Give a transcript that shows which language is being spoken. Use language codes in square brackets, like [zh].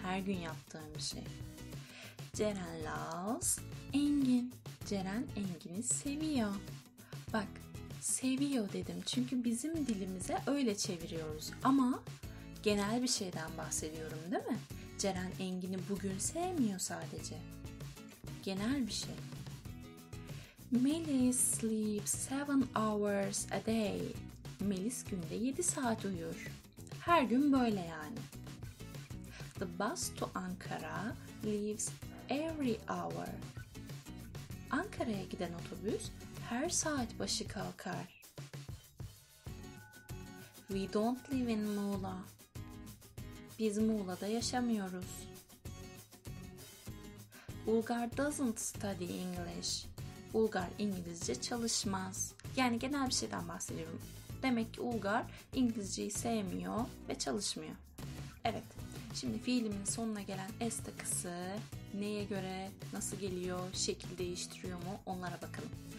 [tr] Her gün yaptığım şey. [en] Ceren loves Engin. [tr] Ceren Engin'i seviyor. Bak, seviyor dedim. Çünkü bizim dilimize öyle çeviriyoruz. Ama genel bir şeyden bahsediyorum değil mi? Ceren Engin'i bugün sevmiyor sadece. Genel bir şey. [en] Melis sleeps 7 hours a day. [tr] Melis günde 7 saat uyur. Her gün böyle yani. [en] The bus to Ankara leaves every hour. [tr] Ankara'ya giden otobüs her saat başı kalkar. [en] We don't live in Muğla. [tr] Biz Muğla'da yaşamıyoruz. [en] Ulgar doesn't study English. [tr] Ulgar İngilizce çalışmaz. Yani genel bir şeyden bahsediyorum. Demek ki Ulgar İngilizceyi sevmiyor ve çalışmıyor. Evet, şimdi fiilimin sonuna gelen s takısı neye göre, nasıl geliyor, şekil değiştiriyor mu onlara bakalım.